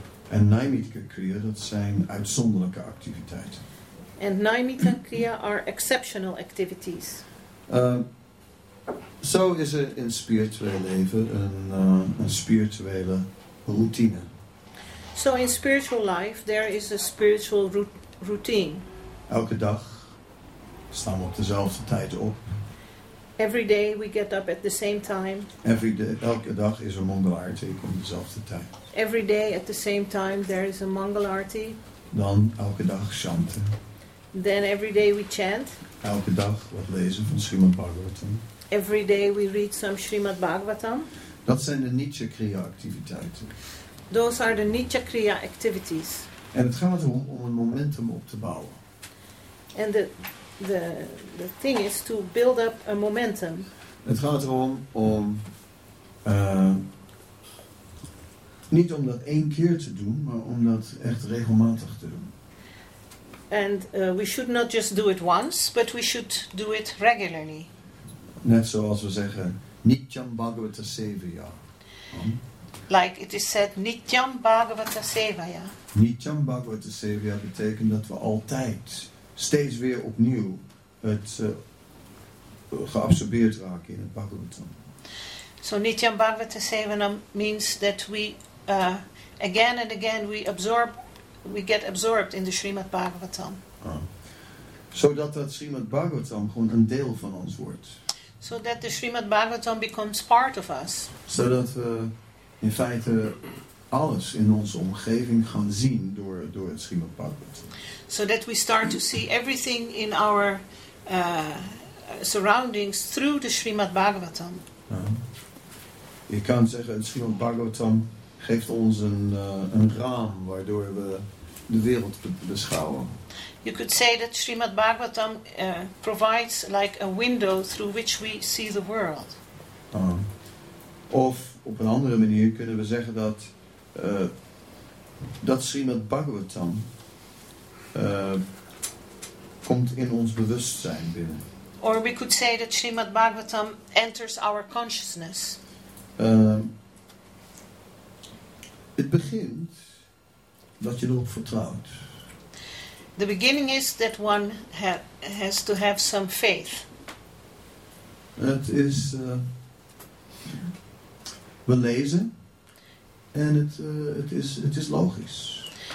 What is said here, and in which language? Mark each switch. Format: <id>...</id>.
<nl>En Naimitika Kriya, dat zijn uitzonderlijke activiteiten.</nl> <en>And Naimitika Kriya are exceptional activities.</en> <nl>Zo is er in spiritueel leven een spirituele routine.</nl> <en>So in spiritual life there is a spiritual routine.</en> <nl>Elke dag staan we op dezelfde tijd op.</nl> <en>Every day we get up at the same time.</en> <nl>Elke dag is er Mangala Arati op dezelfde tijd.</nl> <en>Every day at the same time there is a Mangala Arati.</en> <nl>Dan elke dag chanten.</nl> <en>Then every day we chant.</en> <nl>Elke dag wat lezen van Srimad Bhagavatam.</nl> <en>Every day we read some Srimad Bhagavatam.</en> <nl>Dat zijn de Nitya Kriya activiteiten.</nl> <en>Those are the Nitya Kriya activities.</en> <nl>En het gaat om een momentum op te bouwen.</nl> <en>And the thing is to build up a momentum.</en> <nl>Het gaat erom om niet om dat één keer te doen, maar om dat echt regelmatig te doen.</nl> <en>And we should not just do it once, but we should do it regularly.</en> <nl>Net zoals we zeggen, Nityam Bhagavata Sevaya.</nl> <en>Like it is said, Nityam Bhagavata Sevaya.</en> <nl>Nityam Bhagavata Sevaya betekent dat we altijd, steeds weer opnieuw, het geabsorbeerd raken in het Bhagavatam.</nl> <en>So Nityam Bhagavata Sevaya means that we again and again we absorb we get absorbed in the Srimad Bhagavatam.</en> <nl>Zodat dat Srimad Bhagavatam gewoon een deel van ons wordt.</nl> <en>So that the Srimad Bhagavatam becomes part of us.</en> <nl>Zodat we in feite alles in onze omgeving gaan zien door het Srimad Bhagavatam.</nl> <en>So that we start to see everything in our surroundings through the Srimad Bhagavatam.</en> <nl>Je kan zeggen, het Srimad Bhagavatam geeft ons een raam waardoor we de wereld beschouwen.</nl> <en>You could say that Srimad Bhagavatam provides like a window through which we see the world.</en> <nl>Of op een andere manier kunnen we zeggen dat dat Srimad Bhagavatam komt in ons bewustzijn binnen.</nl> <en>Or we could say that Srimad Bhagavatam enters our consciousness.</en> <nl>Het begint dat je erop vertrouwt.</nl> <en>The beginning is that one has to have some faith.</en> <nl>Het is we lezen en het is logisch.</nl>